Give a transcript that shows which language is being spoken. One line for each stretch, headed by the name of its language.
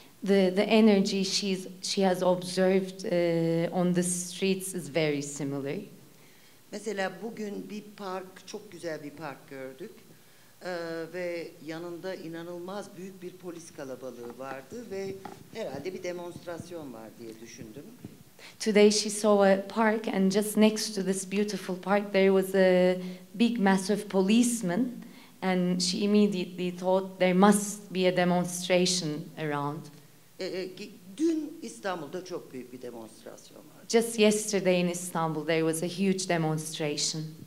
English: The energy she has observed on the streets is very similar.
Turkish: Mesela bugün bir park, çok güzel bir park gördük. Ve yanında inanılmaz büyük bir polis kalabalığı vardı ve herhalde bir demonstrasyon var diye düşündüm.
English: Today she saw a park and just next to this beautiful park there was a big massive policeman and she immediately thought there must be a demonstration around.
Turkish: Dün İstanbul'da çok büyük bir demonstrasyon vardı.
English: Just yesterday in Istanbul there was a huge demonstration.